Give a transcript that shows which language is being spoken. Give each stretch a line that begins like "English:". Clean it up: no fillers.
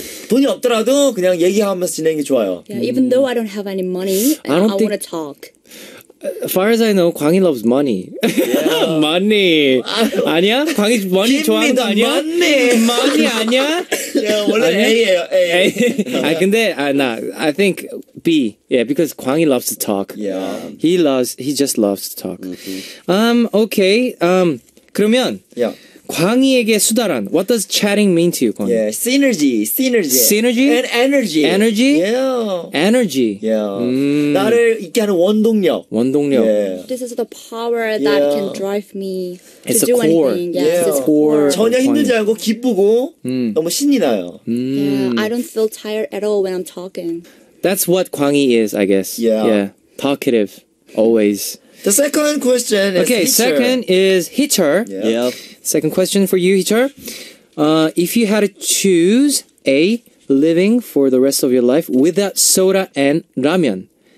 Korean: 돈이 없더라도 그냥 얘기하면서 지내는 게 좋아요.
English: Yeah, even though I don't have any money, I don't think... I want to talk. As far as I know, Kwanghee loves money. Yeah.
Korean: Money. 아니야? Kwanghee money 좋아하는 거 아니야?
English: Money.
Korean: Money 아니야? Yeah, 원래 아니? A예요. A. 아 근데
English: I think B. Yeah, because Kwanghee loves to talk. Yeah. He just loves to talk. Mm-hmm. Okay. 그러면 yeah.
Korean: 광희에게 수다란.
English: What does chatting mean to you, Kwanghee? Yeah, synergy. Synergy. Synergy? And energy. Energy? Yeah. Energy.
Korean: Yeah. 나를 있게 하는 원동력. 원동력.
English: Yeah. This is the power that yeah. can drive me it's to do core. Anything. Yes, yeah. It's core.
Korean: 전혀 힘들지 않고 기쁘고 너무 신이 나요.
English: Yeah, I don't feel tired at all when I'm talking. That's what Kwanghee is, I guess. Yeah. Yeah. Talkative. Always. The second question is okay, Heecheol. Second is Heecheol. Yeah. Yep. Second question for you, Heecheol. If you had to choose A, living for the rest of your life without soda and ramen.